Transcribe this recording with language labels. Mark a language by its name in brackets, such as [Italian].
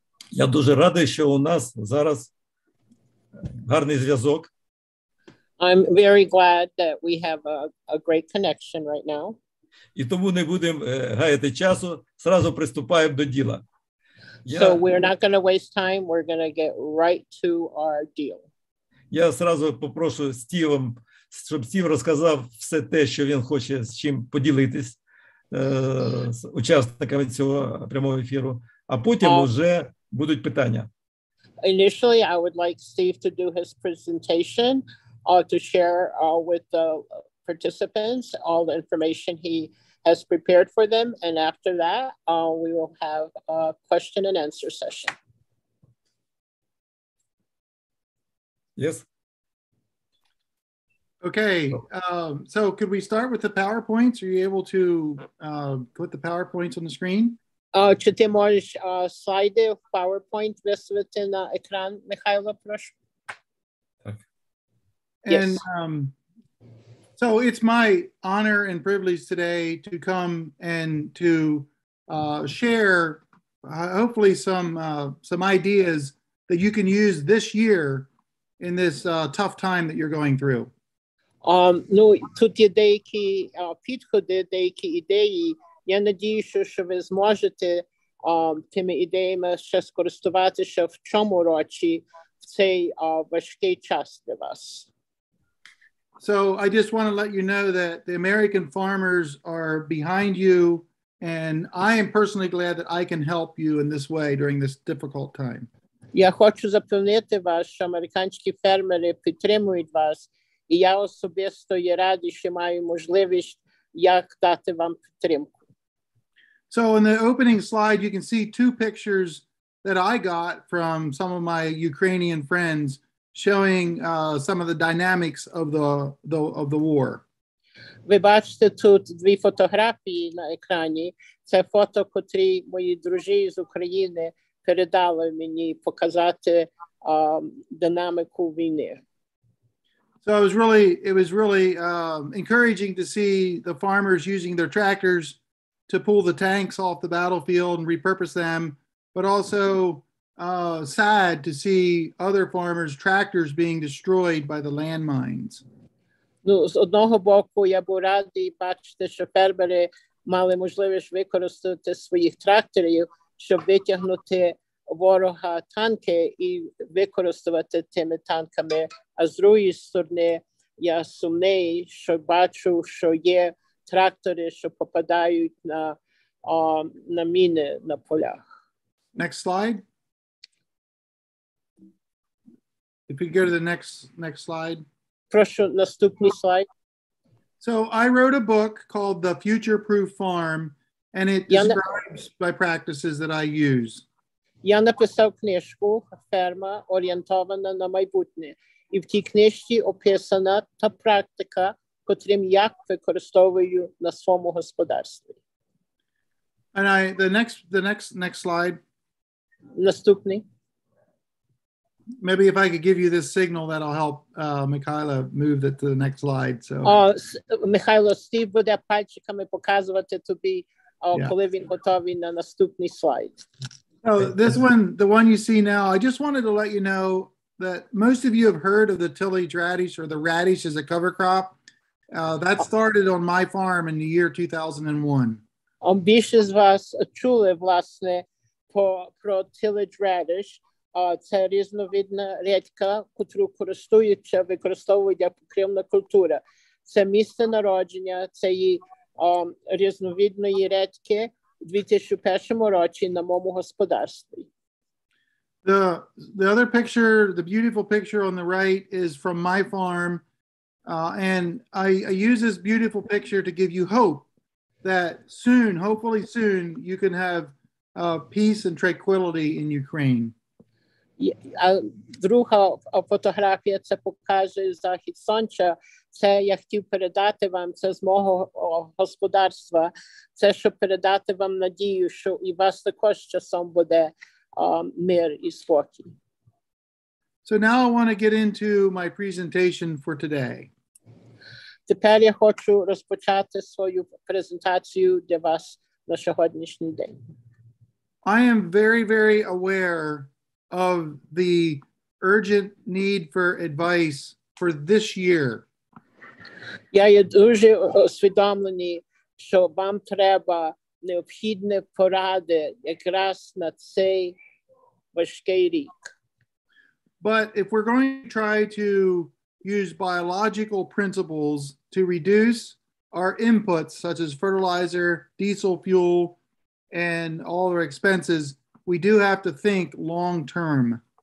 [Ukrainian] Я дуже радий, що у нас зараз гарний зв'язок. [English] I'm very glad that we have a great connection right now. [Ukrainian] І тому не будемо гаяти часу, зразу приступаємо до діла. [English] So we're not going to waste time, we're going to get right to our deal. [Ukrainian] Я зразу попрошу Стівом, щоб Стів розказав все те, що він хоче з чим поділитись з учасниками цього прямого ефіру, а потім вже будуть питання. [English] Initially, I would like Steve to do his presentation, to share with the participants all the information he has prepared for them, and after that, we will have a question and answer session. Yes. Okay, so could we start with the PowerPoints? Are you able to put the PowerPoints on the screen? [Ukrainian] Чи ти можеш слайди в PowerPoint виставити на екран, Михайло, прошу? Так. [English] And so it's my honor and privilege today to come and to share hopefully some ideas that you can use this year in this tough time that you're going through. [Ukrainian] Ну, тут є деякі підходи, деякі ідеї. Я надіюся, що ви зможете тими ідеями ще скористуватися в цьому році, в цей важкий час для вас. [English] So, I just want to let you know that the American farmers are behind you, and I am personally glad that I can help you in this way during this difficult time. [Ukrainian] Я хочу запевнити вас, що американські фермери підтримують вас, і я особисто є радий, що маю можливість як дати вам підтримку. [English] So in the opening slide you can see two pictures that I got from some of my Ukrainian friends showing some of the dynamics of the war. [Ukrainian] Ви бачите тут дві фотографії на екрані. Це фото, котрі мої друзі з України передали мені показати динаміку війни. [English] So it was really encouraging to see the farmers using their tractors to pull the tanks off the battlefield and repurpose them, but also sad to see other farmers' tractors being destroyed by the landmines. [Ukrainian] Ну, з одного боку, я був радий бачити, що фермери мали можливість використати своїх тракторів, щоб витягнути ворога танки і використовувати тими танками. А з другої сторони, я сумний, що бачу, що є трактори, що попадають на міни на полях. [English] Next slide. If you go to the next slide. [Ukrainian] Прошу, наступний слайд. [English] So I wrote a book called The Future Proof Farm, and it describes my practices that I use. [Ukrainian] Я написав книжку «Ферма, орієнтована на майбутнє». І в тій книжці описана та практика, котрим я використовую на своєму господарстві. [English] And I, the next slide. [Ukrainian] Наступний. [English] Maybe if I could give you this signal, that'll help Mikhaila move it to the next slide. So, [Ukrainian] Mikhaila, Steve буде пальчиками показувати тобі, коли він готовий на наступний слайд. [English] So this one, the one you see now, I just wanted to let you know that most of you have heard of the tillage radish or the radish as a cover crop. That started on my farm in the year 2001. [Ukrainian] Більшість з вас чули, власне, про tillage radish. Це різновидна рідка, котру використовують як покривна культура. Це місце народження цієї різновидної рідки у 2001 році на моєму господарстві. [English] The other picture, the beautiful picture on the right is from my farm. And I use this beautiful picture to give you hope that soon, hopefully soon, you can have peace and tranquility in Ukraine. [Ukrainian] А друга фотографія, це покаже захід сонця. Це я хотів передати вам, це з мого господарства. Це, щоб передати вам надію, що і вас також часом буде мир і спокій. [English] So now I want to get into my presentation for today. [Ukrainian] Тепер я хочу розпочати свою презентацію для вас на сьогоднішній день. [English] I am very, very aware of the urgent need for advice for this year. [Ukrainian] Я є дуже усвідомлений, що вам треба необхідні поради якраз на цей важкий рік. [English] But if we're going to try to use biological principles to reduce our inputs, such as fertilizer, diesel fuel, and all our expenses, we do have to think long term.